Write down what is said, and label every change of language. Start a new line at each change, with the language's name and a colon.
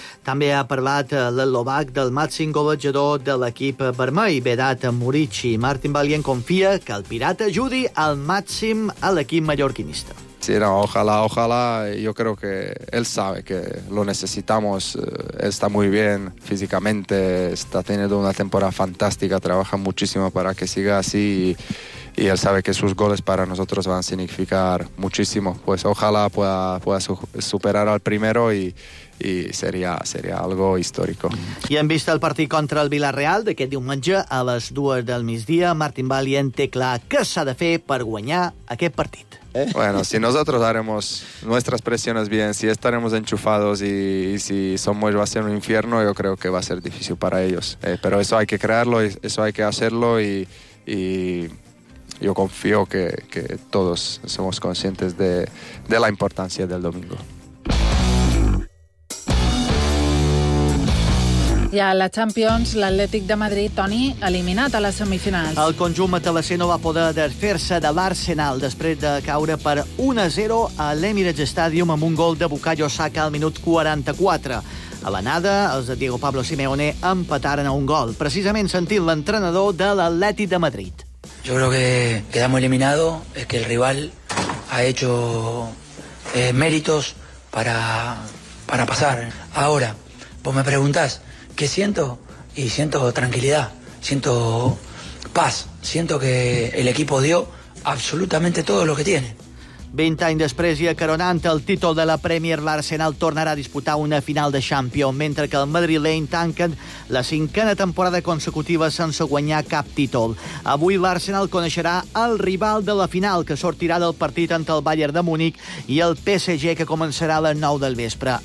Catalan: També ha parlat l'eslovac del màxim golejador de l'equip vermell, Vedat Muric, i Martin Valiant confia que el pirata ajudi al màxim a l'equip mallorquinista.
Spanish: Sí, no, ojalá, yo creo que él sabe que lo necesitamos, él está muy bien físicamente, está teniendo una temporada fantástica, trabaja muchísimo para que siga así, y él sabe que sus goles para nosotros van a significar muchísimo. Pues ojalá pueda superar al primero y sería algo histórico.
Catalan: I hem vist el partit contra el Villarreal d'aquest diumenge a les 2 del migdia. Martin Valiant té clar què s'ha de fer per guanyar aquest partit.
Spanish: Bueno, si nosotros haremos nuestras presiones bien, si estaremos enchufados y si somos, va a ser un infierno, yo creo que va a ser difícil para ellos. Pero eso hay que crearlo, eso hay que hacerlo y yo confío que todos somos conscientes de la importancia del domingo.
Catalan: I a la Champions, l'Atlètic de Madrid, Toni, eliminat a les semifinals. El conjunt matalasser no va poder desfer-se de l'Arsenal després de caure per 1-0 a l'Emirates Stadium amb un gol de Bukayo Saka al minut 44. A l'anada, els de Diego Pablo Simeone empataren a un gol, precisament sentint l'entrenador de l'Atlètic de Madrid.
Spanish: Yo creo que quedamos eliminados, es que el rival ha hecho méritos para pasar. Ahora, vos me preguntás, ¿qué siento? Y siento tranquilidad, siento paz, siento que el equipo dio absolutamente todo lo que tiene.
Catalan: 20 anys després i acaronant el títol de la Premier, l'Arsenal tornarà a disputar una final de Champions, mentre que el Madrid Lane tanquen la cinquena temporada consecutiva sense guanyar cap títol. Avui l'Arsenal coneixerà el rival de la final, que sortirà del partit entre el Bayern de Múnich i el PSG, que començarà a les 9 del vespre.